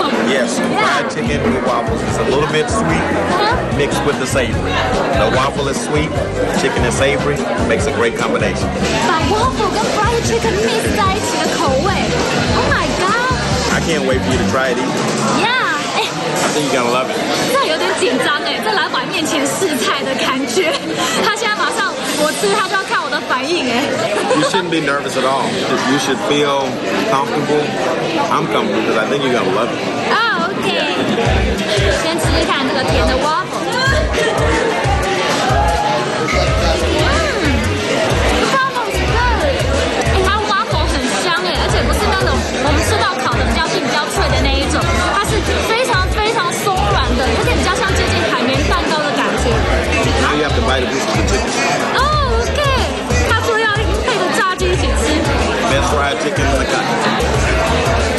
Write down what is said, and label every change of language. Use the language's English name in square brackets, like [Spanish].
[English] Yes, fried chicken with waffles. It's a little bit sweet mixed with the savory. The waffle is sweet, chicken is savory. Makes a great combination. [Chinese] 把 waffle 跟 fried chicken mix 在一起的口味。 [English] Oh my God! I can't wait for you to try it either. Yeah! I think you're gonna love it. [Chinese] 这有点惊紧张哎，在老板面前试菜的感觉。他现在马上，我吃他就要看我的反应哎。 [English] You shouldn't be nervous at all. You should feel comfortable. I'm comfortable because I think you're gonna love it. Oh, okay. [Chinese] 先吃吃看这个甜的 waffle. [English] Waffle is good. [Chinese] 它 waffle 很香哎，而且不是那种我们吃到烤的比较硬、比较脆的那一种，它是非常非常松软的，有点比较像接近海绵蛋糕的感觉。 [English] Now you have to bite a piece of the chicken. Oh, okay. [Chinese] 它除了要配着炸鸡一起吃。 [English] Best fried chicken in the country.